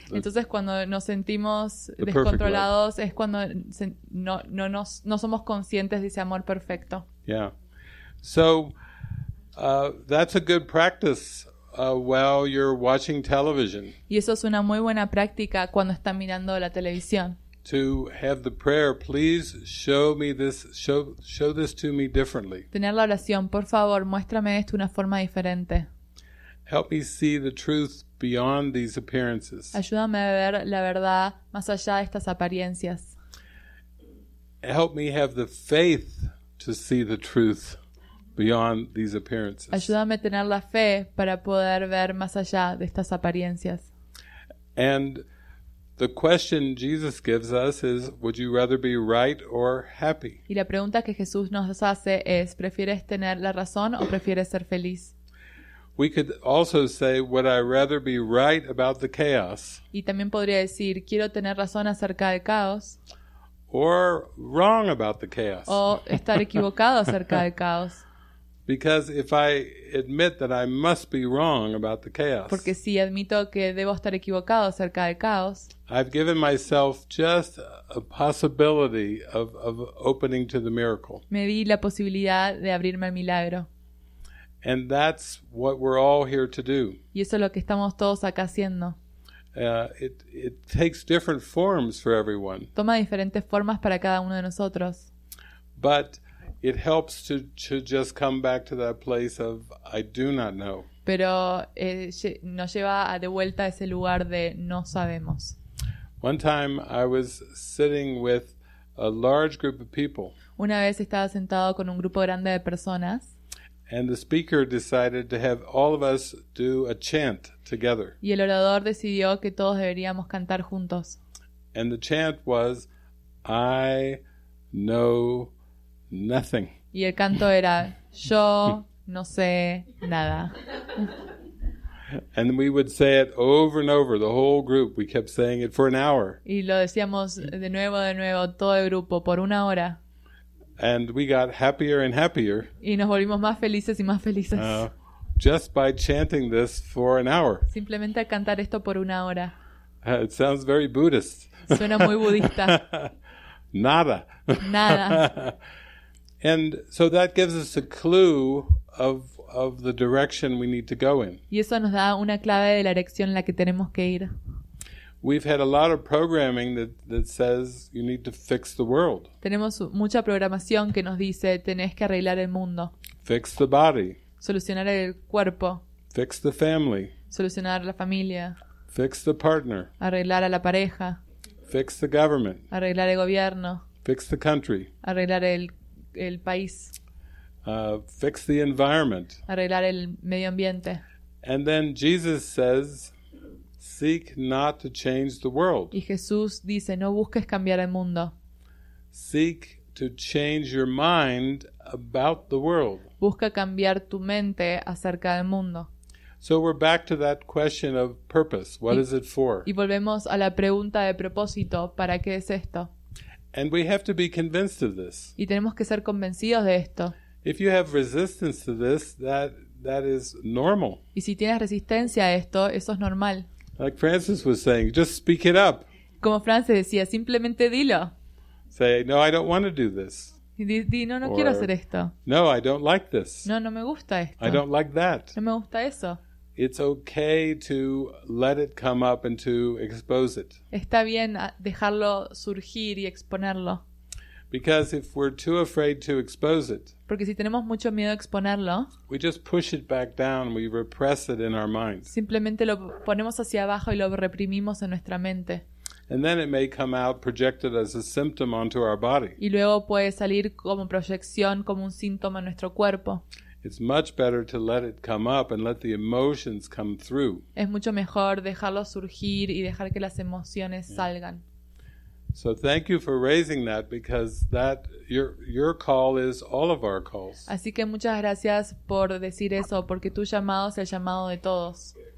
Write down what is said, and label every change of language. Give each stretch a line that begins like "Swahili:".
Spanish: Entonces cuando nos sentimos descontrolados es cuando no somos conscientes de ese amor perfecto.
English: Yeah. So that's a good practice. While you're watching television.
Spanish: Y eso es una muy buena práctica cuando están mirando la televisión.
English: To have the prayer, please show this to me differently.
Spanish: Tener la oración, por favor, muéstrame esto de una forma diferente.
English: Help me see the truth beyond these appearances.
Spanish: Ayúdame a ver la verdad más allá de estas apariencias.
English: Help me have the faith to see the truth. Beyond these appearances.
Spanish: Ayúdame a tener la fe para poder ver más allá de estas apariencias.
English: And the question Jesus gives us is, would you rather be right or happy?
Spanish: Y la pregunta que Jesús nos hace es, ¿prefieres tener la razón o prefieres ser feliz?
English: We could also say, would I rather be right about the chaos?
Spanish: Y también podría decir, quiero tener razón acerca del caos.
English: Or wrong about the chaos.
Spanish: O estar equivocado acerca del caos.
English: Because if I admit that I must be wrong about the chaos.
Spanish: Porque si admito que debo estar equivocado acerca del caos.
English: I've given myself just a possibility of opening to the miracle.
Spanish: Me di la posibilidad de abrirme al milagro.
English: And that's what we're all here to do.
Spanish: Y eso es lo que estamos todos acá haciendo.
English: It takes different forms for everyone.
Spanish: Toma diferentes formas para cada uno de nosotros.
English: But it helps to just come back to that place of I do not know.
Spanish: Pero nos lleva de vuelta a ese lugar de no sabemos.
English: One time I was sitting with a large group of people.
Spanish: Una vez estaba sentado con un grupo grande de personas.
English: And the speaker decided to have all of us do a chant together.
Spanish: Y el orador decidió que todos deberíamos cantar juntos.
English: And the chant was I know nothing.
Spanish: Y el canto era yo no sé nada.
English: And we would say it over and over, the whole group. We kept saying it for an hour.
Spanish: Y lo decíamos de nuevo, todo el grupo, por una hora.
English: And we got happier and happier.
Spanish: Y nos volvimos más felices y más felices.
English: Just by chanting this for an hour.
Spanish: Simplemente al cantar esto por una hora.
English: It sounds very Buddhist.
Spanish: Suena muy budista. Nada. Nada.
English: And so that gives us a clue of the direction we need to go in.
Spanish: Y eso nos da una clave de la dirección en la que tenemos que ir.
English: We've had a lot of programming that says you need to fix the world.
Spanish: Tenemos mucha programación que nos dice tenés que arreglar el mundo.
English: Fix the body.
Spanish: Solucionar el cuerpo.
English: Fix the family.
Spanish: Solucionar la familia.
English: Fix the partner.
Spanish: Arreglar a la pareja.
English: Fix the government.
Spanish: Arreglar el gobierno.
English: Fix the country.
Spanish: Arreglar el país.
English: Fix the environment.
Spanish: Arreglar el medio ambiente.
English: And then Jesus says, seek not to change the world.
Spanish: Y Jesús dice, no busques cambiar el mundo.
English: Seek to change your mind about the world.
Spanish: Busca cambiar tu mente acerca del mundo.
English: So we're back to that question of purpose. What is it for?
Spanish: Y volvemos a la pregunta de propósito. ¿Para qué es esto?
English: And we have to be convinced of this.
Spanish: Y tenemos que ser convencidos de esto.
English: If you have resistance to this, that is normal.
Spanish: Y si tienes resistencia a esto, eso es normal.
English: Like Francis was saying, just speak it up.
Spanish: Como Francis decía, simplemente dilo.
English: Say, no, I don't want to do this.
Spanish: Di no, no quiero hacer esto.
English: No, I don't like this.
Spanish: No, no me gusta esto.
English: I don't like that.
Spanish: No me gusta eso.
English: It's okay to let it come up and to expose it.
Spanish: Está bien dejarlo surgir y exponerlo.
English: Because if we're too afraid to expose it,
Spanish: porque si tenemos mucho miedo a exponerlo,
English: we just push it back down, we repress it in our mind.
Spanish: Simplemente lo ponemos hacia abajo y lo reprimimos en nuestra mente.
English: And then it may come out projected as a symptom onto our body.
Spanish: Y luego puede salir como proyección, como un síntoma en nuestro cuerpo.
English: It's much better to let it come up and let the emotions come through.
Spanish: Es mucho mejor dejarlo surgir y dejar que las emociones salgan.
English: So thank you for raising that because that your call is all of our calls.
Spanish: Así que muchas gracias por decir eso porque tu llamado es el llamado de todos.